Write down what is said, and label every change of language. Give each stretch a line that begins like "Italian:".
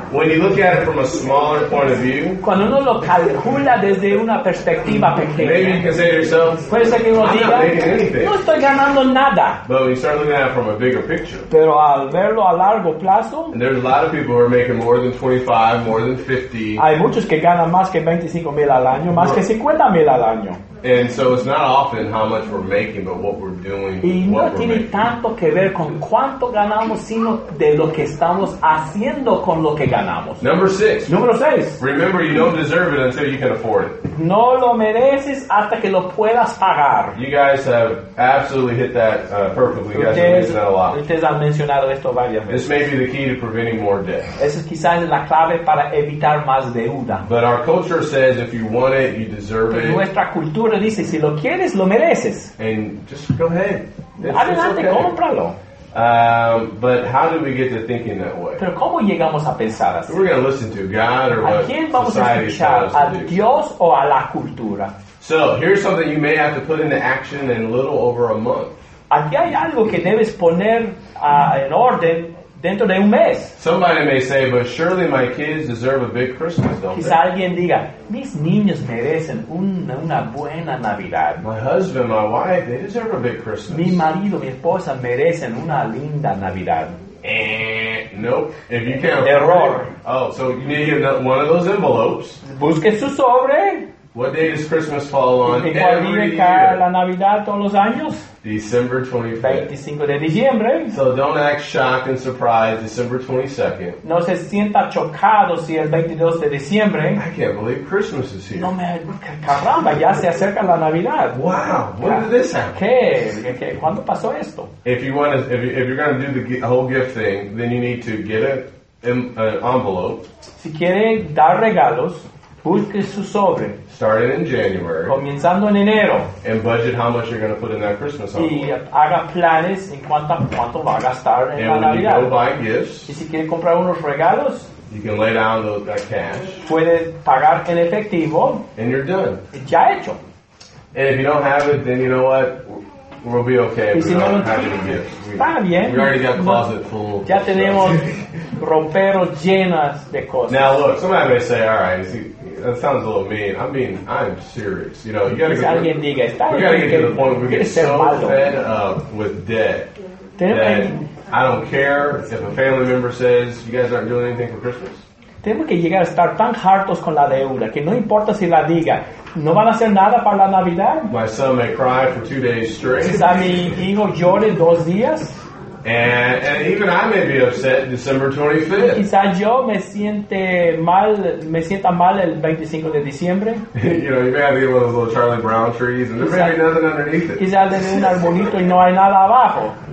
English: When you look at it from a smaller point of view,
Spanish: cuando uno lo calcula desde una perspectiva pequeña,
English: maybe you can say to yourself,
Spanish: puede ser que uno diga,
English: I'm not making anything.
Spanish: No estoy ganando nada.
English: But when you start looking at it from a bigger picture,
Spanish: pero al verlo a largo plazo,
English: and there's a lot of people who are making more than 25, more than 50.
Spanish: Hay muchos que ganan más que 25 mil al año, más que 50 mil al año.
English: And so it's not often how much we're making, but what we're doing.
Spanish: Y no tiene tanto que ver con cuánto ganamos, sino de lo que estamos haciendo con lo que ganamos. Número 6.
English: Remember, you don't deserve it until you can afford it.
Spanish: No lo mereces hasta que lo puedas pagar.
English: You guys have absolutely hit that perfectly. You guys have mentioned that a lot.
Spanish: Ustedes han mencionado esto varias veces.
English: This may be the key to preventing more debt.
Spanish: Eso quizás es la clave para evitar más deuda.
English: But our culture says if you want it, you deserve it.
Spanish: Nuestra cultura dice, si lo quieres, lo mereces.
English: And just go ahead.
Spanish: Adelante,
English: okay.
Spanish: Cómpralo.
English: But how do we get to thinking that way?
Spanish: Pero ¿cómo llegamos a pensar así?
English: We're going to listen to God or
Spanish: ¿a
English: what society
Spanish: a escuchar,
English: tells us to do.
Spanish: Dios o a la cultura?
English: So here's something you may have to put into action in a little over a month.
Spanish: Aquí hay algo que debes poner en orden dentro de un mes.
English: Somebody may say, but surely my kids deserve a big Christmas, don't
Spanish: quizá
English: they?
Spanish: Quizá alguien diga, mis niños merecen una buena Navidad.
English: My husband, my wife, they deserve a big Christmas.
Spanish: Mi marido, mi esposa merecen una linda Navidad.
English: Nope. If you can't error. Oh, so you need to get one of those envelopes.
Spanish: Busque su sobre.
English: What day does Christmas fall on
Spanish: ¿y cuál
English: every
Spanish: día
English: year?
Spanish: La Navidad todos los años?
English: December 25th.
Spanish: 25 de diciembre.
English: So don't act shocked and surprised December 22nd.
Spanish: No se sienta chocado si el 22 de diciembre.
English: I can't believe Christmas is here.
Spanish: No me caramba, ya se acerca la Navidad.
English: Wow, when did this happen?
Spanish: ¿Qué? ¿Cuándo pasó esto?
English: If you're going to do the whole gift thing, then you need to get an envelope.
Spanish: Si quiere dar regalos, busque su sobre.
English: Starting in January.
Spanish: Comenzando en enero.
English: And budget how much you're going to put in that Christmas envelope.
Spanish: Y haga planes en cuánto va a gastar en la Navidad.
English: And when you go buy gifts.
Spanish: Y si quiere comprar unos regalos.
English: You can lay down that cash.
Spanish: Puede pagar en efectivo.
English: And you're done.
Spanish: Ya hecho.
English: And if you don't have it, then you know what? We'll be okay.
Spanish: Y si no lo tienes, está bien.
English: We already got the closet full.
Spanish: Ya tenemos roperos llenas de cosas.
English: Now look, somebody may say, "All right, is he, that sounds a little mean." I mean, I'm serious. You know, you got to get, diga, we gotta get to the point where we get so fed up with debt that I don't care if a family member says, "You guys aren't doing anything for Christmas."
Spanish: Tenemos que llegar a estar tan hartos con la deuda que no importa si la diga, no van a hacer nada para la Navidad.
English: My son may cry for 2 days straight.
Spanish: Quizá mi hijo llore 2 días.
English: And even I may be upset December 25th.
Spanish: Quizá yo me sienta mal el 25 de diciembre.
English: You know, you may have to get one of those little Charlie Brown trees and there may be nothing underneath it.
Spanish: Quizá tener un arbolito y no hay nada abajo.